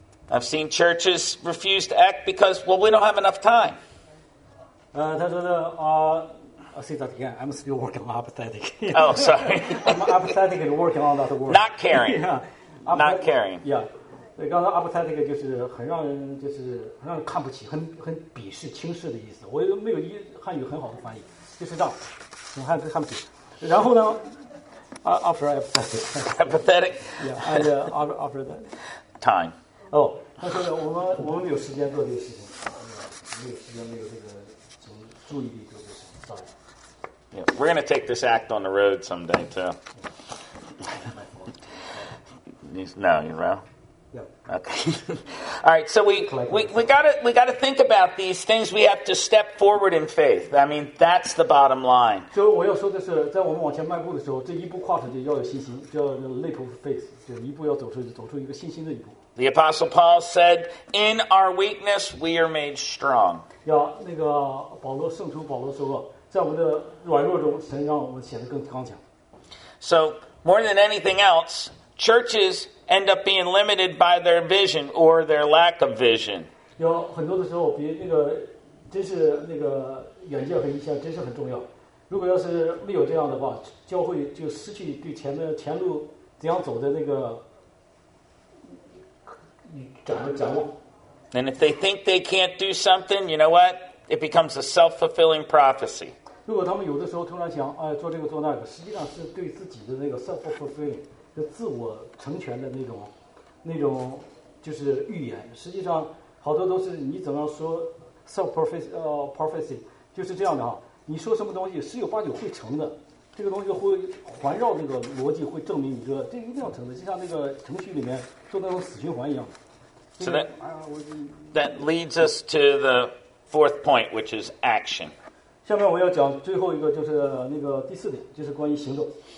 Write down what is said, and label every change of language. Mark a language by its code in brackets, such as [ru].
[en] I've seen churches refuse to act because, well, we don't have enough time. [zh] 他说的 [en] I'll say that again. I'm still working on apathetic. Oh, sorry. I'm apathetic and working on that word. Not caring. Yeah. Not caring. Yeah. [zh] 所以刚才 apathetic 就是很让人就是很让人看不起，很鄙视、轻视的意思。我也没有一汉语很好的翻译，就是这样，很汉语看不起。然后呢 [en] ，after apathetic， yeah， and after that time。 [zh] 哦，他说我们没有时间做这个事情，没有时间，没有这个什么注意力做这个事情。 [en] Sorry。 Yeah， we're gonna take this act on the road someday too. He's now you're wrong. Okay. All right. So we got to think about these things. We have to step forward in faith. I mean, that's the bottom line. [zh] So 我要说的是，在我们往前迈步的时候，这一步跨出去要有信心，就要 [en] leap of faith， [zh] 就一步要走出一个信心的一步。 [en] The Apostle Paul said, "In our weakness, we are made strong." [zh] 要那个保罗，圣徒保罗说过，在我们的软弱中，神让我们显得更刚强。 [en] So more than anything else, churches. End up being limited by their vision or their lack of vision. [zh] 有很多的时候，比那个真是那个远见和意向真是很重要。如果要是没有这样的话，教会就失去对前路怎样走的那个展望。 [en] And if they think they can't do something, you know what? It becomes a self-fulfilling prophecy. [zh] 如果他们有的时候突然想，哎，做这个做那个，实际上是对自己的那个 self-fulfilling。就自我成全的那种就是预言，实际上好多都是你怎么说 self-prophecy 就是这样的哈，你说什么东西十有八九会成的，这个东西会环绕那个逻辑，会证明你说这一定要成的，就像那个程序里面做那种死循环一样。 [en] So that leads us to the fourth point, which is action. [zh] 下面我要讲最后一个，就是那个第四点，就是关于行动。